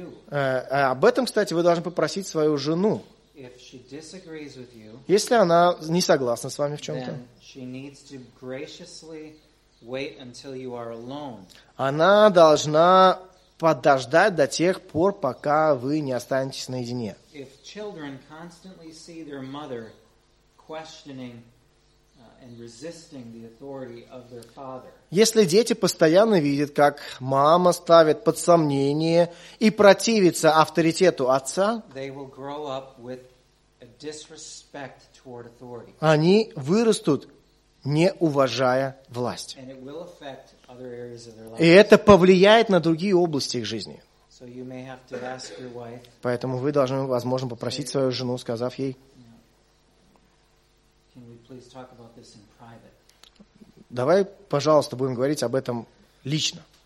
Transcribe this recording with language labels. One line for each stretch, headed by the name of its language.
Russian: Об этом, кстати, вы должны попросить свою жену.
English: If she disagrees with you,
Russian: если она не согласна с вами в чем-то,
English: then she needs to graciously wait until you are alone.
Russian: Она должна подождать до тех пор, пока вы не останетесь наедине.
English: If children constantly see their mother questioning and resisting the authority of their father,
Russian: если дети постоянно видят, как мама ставит под сомнение и противится авторитету отца,
English: they will grow up with a disrespect toward authority.
Russian: Они вырастут, не уважая власть.
English: And it will affect other areas of their life.
Russian: И это повлияет на другие области их жизни.
English: So you may have to ask your wife,
Russian: поэтому вы должны, возможно, попросить свою жену, сказав ей,
English: can we please talk about this in private?
Russian: Давай, пожалуйста, будем говорить об этом лично.